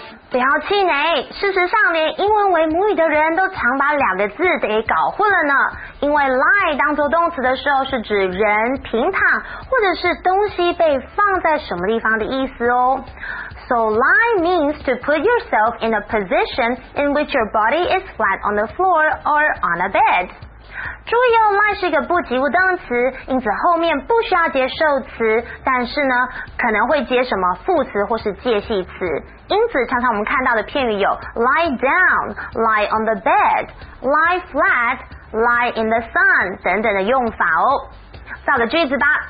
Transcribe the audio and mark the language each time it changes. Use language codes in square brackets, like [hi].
[zh] 不要气馁，事实上连英文为母语的人都常把两个字给搞混了呢。因为 lie 当作动词的时候是指人、平躺或者是东西被放在什么地方的意思哦。 [en] So lie means to put yourself in a position in which your body is flat on the floor or on a bed。 [zh] 注意哦， lie 是一个不及物动词，因此后面不需要接受词，但是呢可能会接什么副词或是介系词。因此常常我们看到的片语有 [en] lie down, lie on the bed, lie flat, lie in the sun [zh] 等等的用法哦。造个句子吧。